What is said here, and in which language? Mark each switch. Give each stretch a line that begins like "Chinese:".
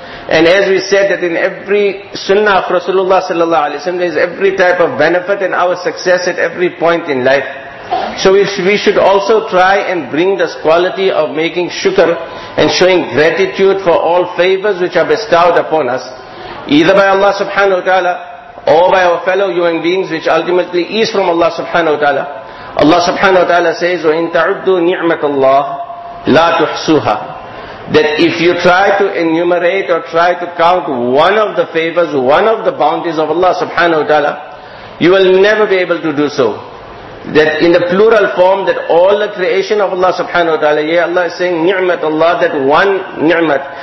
English: And as we said that in every sunnah of Rasulullah sallallahu alayhi wa sallam, there is every type of benefit and our success at every point in life. So we should also try and bring this quality of making shukr and showing gratitude for all favors which are bestowed upon us, either by Allah subhanahu wa ta'ala or by our fellow human beings, which ultimately is from Allah subhanahu wa ta'ala. Allah subhanahu wa ta'ala says,
Arabic: وَإِن تَعُدُّوا نِعْمَةَ اللَّهِ لَا تُحْصُوهَا.
English: That if you try to enumerate or try to count one of the favors, one of the bounties of Allah subhanahu wa ta'ala, you will never be able to do so. That in the plural form, that all the creation of Allah subhanahu wa ta'ala, yeah, Allah is saying ni'mat Allah, that one ni'mat.